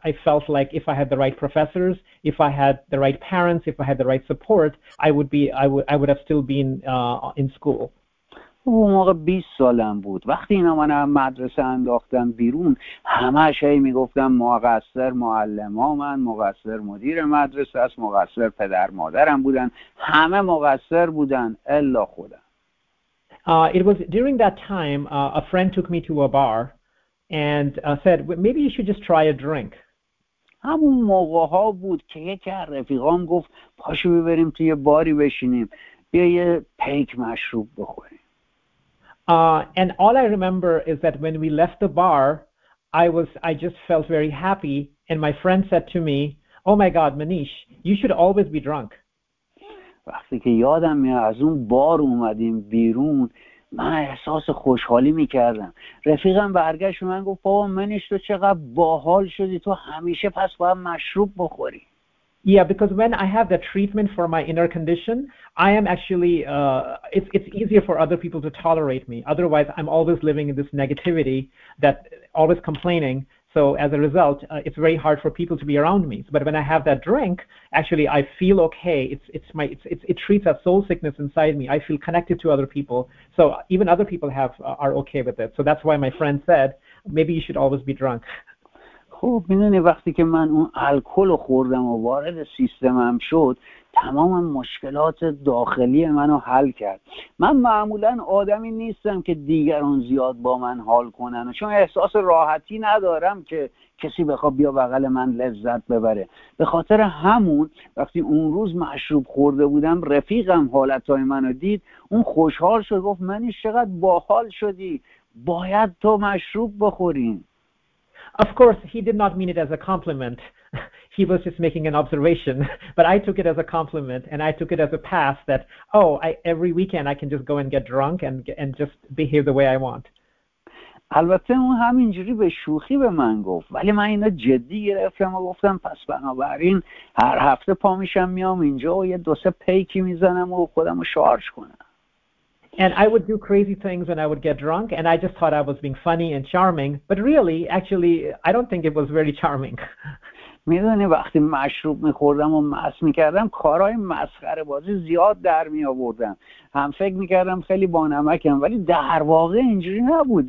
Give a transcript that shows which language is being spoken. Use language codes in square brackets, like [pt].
[en] I felt like if I had the right professors, if I had the right parents, if I had the right support, I would have still been in school. [fa] اون موقع 20 سالم بود وقتی اینا من از مدرسه انداختن بیرون، همش هی میگفتم مقصر معلمامن، مقصر مدیر مدرسه است، مقصر پدر مادرم بودن، همه مقصر بودن الا خودم. [en] It was during that time a friend took me to a bar and said, maybe you should just try a drink. [fa] همون موقع ها بود که یکی از رفیقام گفت پاشو ببریم توی باری بشینیم بیا یه پینک مشروب بخوریم. [en] And all I remember is that when we left the bar, I just felt very happy, and my friend said to me, oh my God, Manish, you should always be drunk. [fa] وقتی که یادم میاد از اون بار اومدیم بیرون، من احساس خوشحالی میکردم. رفیقم برگشت و من گفت بابا منیش تو چقدر باحال شدی، تو همیشه پس باید مشروب بخوری. [en] Yeah, because when I have the treatment for my inner condition, I am actually, it's easier for other people to tolerate me. Otherwise, I'm always living in this negativity, that always complaining. So as a result, it's very hard for people to be around me. But when I have that drink, actually, I feel okay. It treats that soul sickness inside me. I feel connected to other people. So even other people are okay with it. So that's why my friend said, maybe you should always be drunk. [fa] خب میدونی وقتی که من اون الکل خوردم و وارد سیستمم شد تمام مشکلات داخلی منو حل کرد. من معمولا آدمی نیستم که دیگران زیاد با من حال کنن، چون احساس راحتی ندارم که کسی بخواد بیا بغل من لذت ببره. به خاطر همون وقتی اون روز مشروب خورده بودم، رفیقم حالتهای منو دید، اون خوشحال شد، گفت منی چقدر باحال شدی، باید تو مشروب بخوریم. [en] Of course, he did not mean it as a compliment. He was just making an observation. But I took it as a compliment, and I took it as a pass that, oh, every weekend I can just go and get drunk and just behave the way I want. [fa] البته اون همینجوری به شوخی به من گفت، ولی من اینا جدی گرفتم و گفتم پس بنابراین هر هفته پا میشم میام اینجا و یه دو سه پیکی میزنم و خودم رو شارژ کنم. [en] And I would do crazy things when I would get drunk, and I just thought I was being funny and charming. But really, actually, I don't think it was very charming. [fa] میدونی وقتی مشروب میخوردم و مست میکردم، کارهای مسخره بازی زیاد در میآوردم. هم فکر میکردم خیلی بانمکم، ولی در واقع اینجوری نبود.